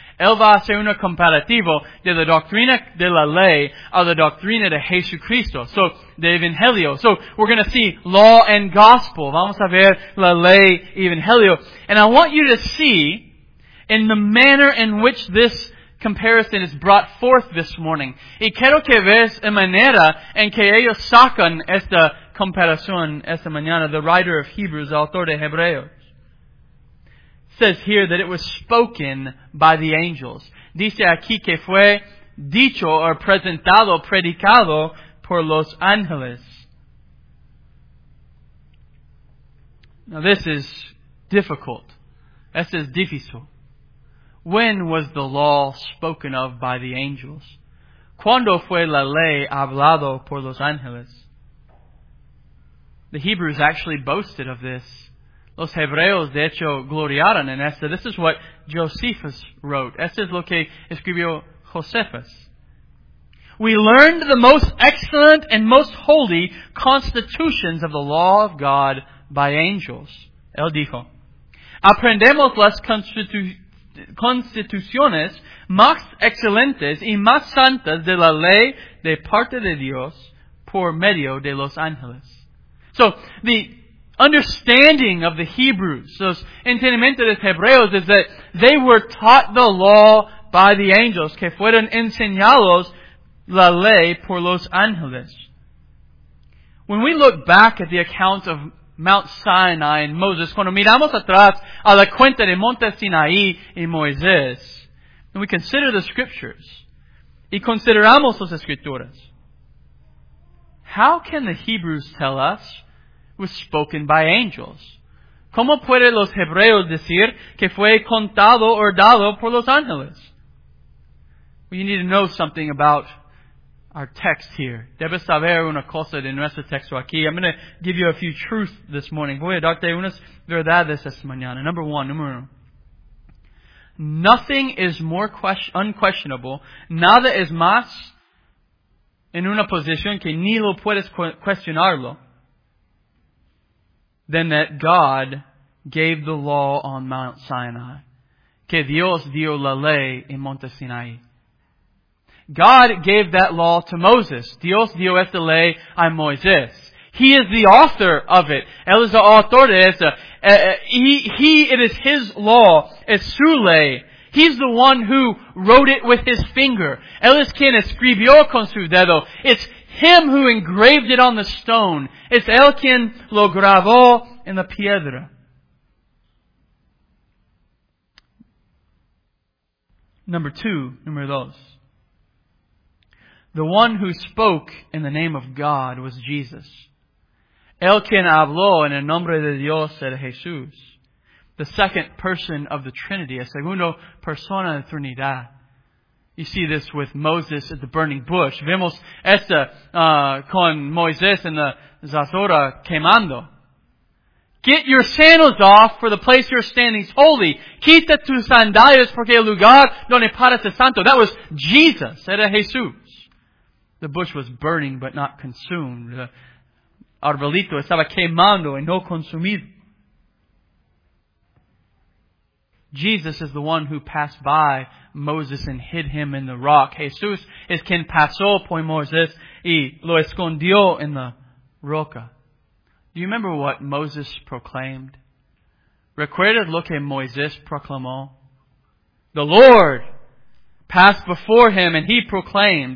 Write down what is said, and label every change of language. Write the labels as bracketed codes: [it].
[es] Él va a hacer un comparativo de la doctrina de la ley a la doctrina de Jesucristo. So, de Evangelio. [en] So, we're going to see law and gospel. [es] Vamos a ver la ley y Evangelio. [en] And I want you to see in the manner in which this comparison is brought forth this morning. [es] Y quiero que veas la manera en que ellos sacan esta comparación esta mañana, [en] the writer of Hebrews, the author [es] de Hebreos, [en] says here that it was spoken by the angels. [es] Dice aquí que fue dicho or presentado, predicado por los ángeles. [en] Now this is difficult. [es] Esto es difícil. [en] When was the law spoken of by the angels? [es] ¿Cuándo fue la ley hablado por los ángeles? [en] The Hebrews actually boasted of this. [es] Los Hebreos, de hecho, gloriaron en esto. [en] This is what Josephus wrote. [es] Esto es lo que escribió Josephus. [en] We learned the most excellent and most holy constitutions of the law of God by angels. [es] Él dijo. Aprendemos las constituciones más excelentes y más santas de la ley de parte de Dios por medio de los ángeles. [en] So, the understanding of the Hebrews, [es] so entendimiento de los Hebreos, [en] is that they were taught the law by the angels, [es] que fueron enseñados la ley por los ángeles. [en] When we look back at the account of Mount Sinai and Moses, [es] cuando miramos atrás a la cuenta de Monte Sinai y Moisés, [en] and we consider the scriptures, [es] y consideramos las escrituras, [en] how can the Hebrews tell us was spoken by angels? [es] ¿Cómo pueden los Hebreos decir que fue contado o dado por los ángeles? [en] Well, you need to know something about our text here. [es] Debes saber una cosa de nuestro texto aquí. [en] I'm going to give you a few truths this morning. [es] Voy a darte unas verdades esta mañana. [en] Number one, [es] número uno. [en] Nothing is more unquestionable. [es] Nada es más en una posición que ni lo puedes cuestionarlo. [en] Than that God gave the law on Mount Sinai. [es] Que Dios dio la ley en Monte Sinai. [en] God gave that law to Moses. [es] Dios dio esta ley a Moisés. [en] He is the author of it. [es] Él es el autor de esta. [en] It is his law. [es] Es su ley. [en] He's the one who wrote it with his finger. [es] Él es quien escribió con su dedo. [en] It's him who engraved it on the stone. [es] Es él quien lo grabó en la piedra. [en] Number two, [es] número dos. [en] The one who spoke in the name of God was Jesus. [es] Él quien habló en el nombre de Dios era Jesús. [en] The second person of the Trinity, [es] a segundo persona de Trinidad. [en] You see this with Moses at the burning bush. [es] Vemos esta con Moisés en la zarza quemando. [en] Get your sandals off, for the place you're standing is holy. [es] Quita tus sandalias, porque el lugar donde paras es santo. [en] That was Jesus. [es] Era Jesús. [en] The bush was burning, but not consumed. [es] The arbolito estaba quemando y no consumido. [en] Jesus is the one who passed by Moses and hid him in the rock. [es] Jesús es quien pasó por Moisés y lo escondió en la roca. [en] Do you remember what Moses proclaimed? [es] ¿Recuerdas lo que Moisés proclamó? [en] The Lord passed before him and he proclaimed.